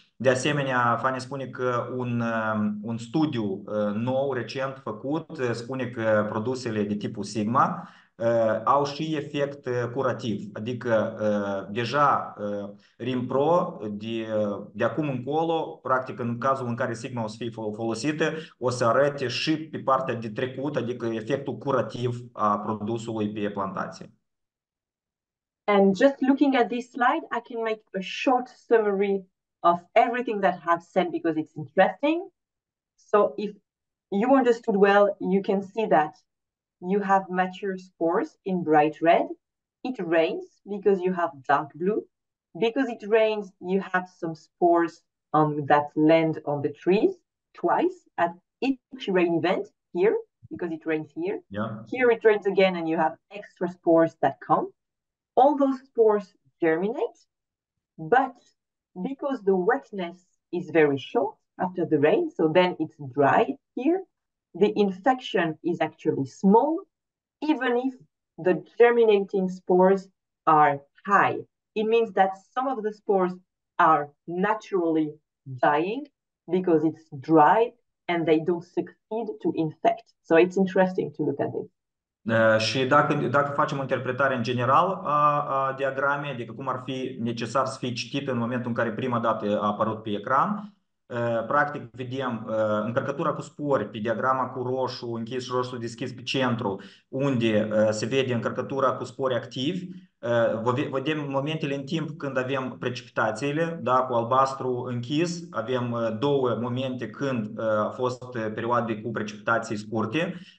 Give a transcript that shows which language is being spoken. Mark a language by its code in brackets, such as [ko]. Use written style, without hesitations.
[ro] De asemenea, Fani spune că un studiu nou, recent făcut, spune că produsele de tipul Sigma au și efect curativ. Adică deja Rimpro, de acum încolo, practic în cazul în care Sigma o să fie folosită, o să arate și pe partea de trecut, adică efectul curativ a produsului pe plantație. [en] And just looking at this slide, I can make a short summary of everything that I've said because it's interesting. So if you understood well, you can see that you have mature spores in bright red. It rains because you have dark blue. Because it rains, you have some spores on that land on the trees. twice at each rain event here, because it rains here. Yeah. Here it rains again and you have extra spores that come. All those spores germinate, but because the wetness is very short after the rain, so then it's dry here, the infection is actually small, even if the germinating spores are high. It means that some of the spores are naturally dying because it's dry and they don't succeed to infect. So it's interesting to look at this. [ro] Și dacă facem o interpretare în general a diagramei, adică cum ar fi necesar să fie citit în momentul în care prima dată a apărut pe ecran, practic vedem încărcătura cu spori pe diagrama cu roșu, închis și roșu deschis pe centru, unde se vede încărcătura cu spori activi, vedem momentele în timp când avem precipitațiile, da, cu albastru închis, avem două momente când a fost perioade cu precipitații scurte.